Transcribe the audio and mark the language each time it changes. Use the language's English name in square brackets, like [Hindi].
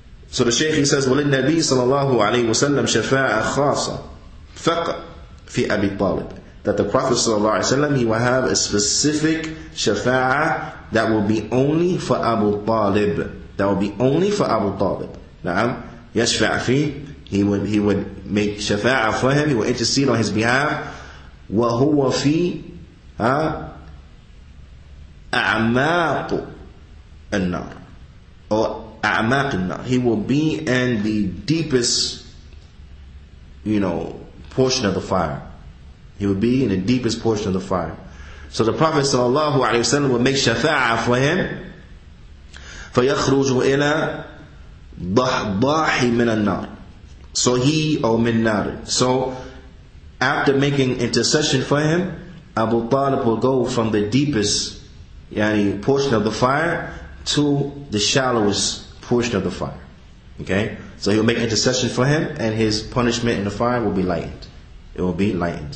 [English] So the Shaykh, he says, [Arabic] وَلِلْ نَبِيِّ صَلَى اللَّهُ عَلَيْهِ وَسَلَّمْ شَفَاءَ خَاصَ فَقَ فِي أَبِي طَالِبِ. [English] That the Prophet sallallahu alayhi wa sallam, he will have a specific shafa'ah that will be only for Abu Talib. That will be only for Abu Talib. Na'am. [Arabic] يَشْفَعْ فِيهِ. [English] He would make shafa'ah for him. He would intercede on his behalf. [Arabic] وَهُوَ فِي أعماق النار [English] or [Arabic] أعماق النار. [English] He will be in the deepest, you know, portion of the fire. He will be in the deepest portion of the fire. So the Prophet sallallahu alaihi wasallam will make shafa'ah for him. [Arabic] فيخرج إلى ضحضاح من النار. [English] So he or [Arabic] من نار. [English] So after making intercession for him, Abu Talib will go from the deepest yani portion of the fire to the shallowest portion of the fire. Okay? So he'll make intercession for him and his punishment in the fire will be lightened. It will be lightened.